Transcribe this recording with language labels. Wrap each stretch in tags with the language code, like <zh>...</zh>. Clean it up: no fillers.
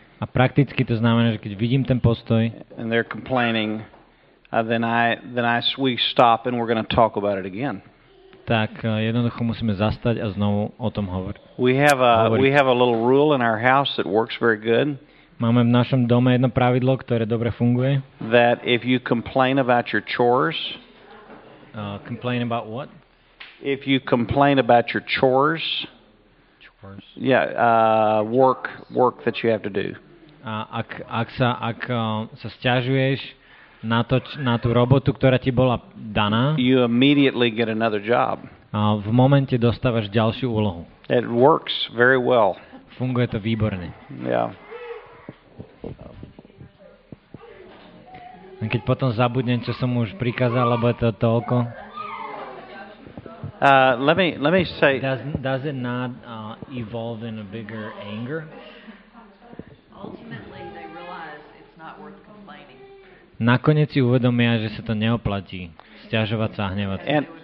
<sk>a prakticky to znamená, že keď vidím ten postoj,</sk> <en>and they're complaining, then I we stop and we're going to talk about it again.</en> <sk>Tak jednoducho musíme zastať a znovu o tom hovoriť.</sk> <en>We have a little rule in our house that works very good.</en> <sk>Máme v našom dome jedno pravidlo, ktoré dobre funguje.</sk> <en>That if you complain about your chores, complain about what? If you complain about your chores. Yeah, work that you have to do.</en> <sk>Ak sa sťažuješ na tú robotu, ktorá ti bola daná.</sk> <en>You immediately get another job.</en> <sk>V momente dostávaš ďalšiu úlohu.</sk> <en>It works very well.</en> <sk>Funguje to výborne.</sk> <en>Yeah.</en> <sk>A keď potom zabudnem, čo som už prikázal, lebo je to toľko.</sk> <en>Let me say. Does it not evolve in a bigger anger? Ultimately, they realize it's not worth complaining.</en> <sk>Nakoniec si uvedomia, že sa to neoplatí sťažovať sa a hnevať sa.</sk>